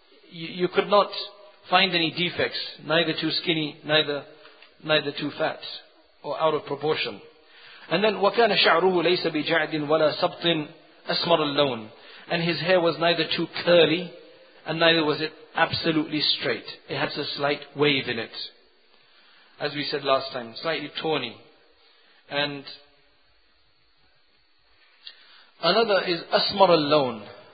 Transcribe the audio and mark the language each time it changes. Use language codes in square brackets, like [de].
[en] You could not find any defects, neither too skinny, neither too fat, or out of proportion. And then, [ar] وَكَانَ شَعْرُهُ لَيْسَ بِجَعْدٍ وَلَا سَبْطٍ أَسْمَرَ اللَّونَ. [en] And his hair was neither too curly, and neither was it absolutely straight. It had a slight wave in it. As we said last time, slightly tawny. And another is [ar] أَسْمَرَ اللَّونَ.